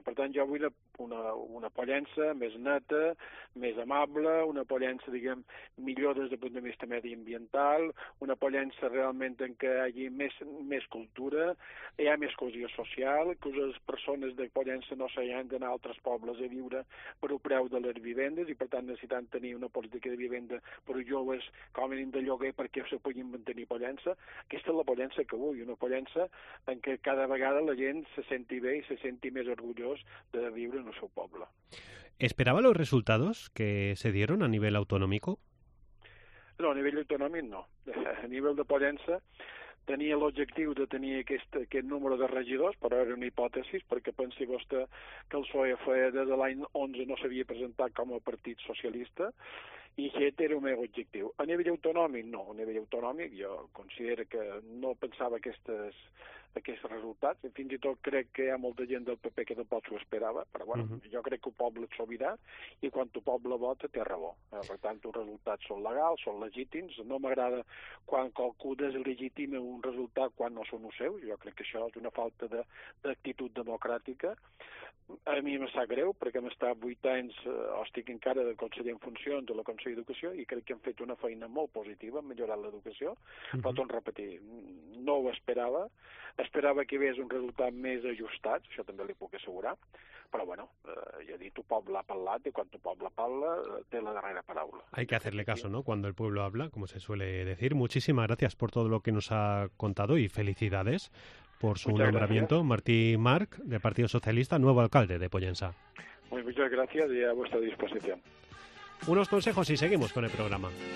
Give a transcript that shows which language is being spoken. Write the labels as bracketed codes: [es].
[ca] Per tant, jo vull una Pollença més neta, més amable, una Pollença, diguem, millor des del punt de vista mediambiental, una Pollença realment en què hi hagi més cultura, hi ha més cohesió social, que les persones de Pollença no s'hagin d'anar a altres pobles a viure per un preu de les vivendes, i per tant necessitant tenir una política de vivenda per als joves que venen de lloguer perquè se puguin mantenir Pollença. Aquesta és la Pollença que vull, una Pollença en què cada vegada la gent se senti bé i se senti més orgullós de viure en el seu poble. [es] ¿Esperaba los resultados que se dieron a nivel autonómico? [ca] No, a nivell autonòmic no. A nivell de Pollença tenia l'objectiu de tenir aquest número de regidors, però era una hipòtesi, perquè pensi vostè que el PSOE feia des de l'any 11 no s'havia presentat com a partit socialista, i aquest era el meu objectiu. A nivell autonòmic, no. A nivell autonòmic, jo considero que no pensava aquests resultats. Fins i tot crec que hi ha molta gent del PP que tampoc s'ho esperava, però bueno, jo crec que el poble et sobirà, i quan el poble vota té raó. Per tant, els resultats són legals, són legítims. No m'agrada quan qualcú deslegitima un resultat quan no són els seus. Jo crec que això és una falta d'actitud democràtica. A mi em sap greu, perquè hem estat 8 anys, o estic encara de conseller en funcions de la Consell d'Educació, i crec que hem fet una feina molt positiva en millorar l'educació. Però, torno a repetir, no ho esperava. Esperava que hi hagués un resultat més ajustat, això també li puc assegurar, però bueno, ja he dit, el poble ha parlat, i quan el poble parla té la darrera paraula. [es] Hay que hacerle caso, ¿no?, cuando el pueblo habla, como se suele decir. Muchísimas gracias por todo lo que nos ha contado y felicidades por su muchas nombramiento. Gracias. Martí Marc, del Partido Socialista, nuevo alcalde de Pollença. Muchas gracias y a vuestra disposición. Unos consejos y seguimos con el programa.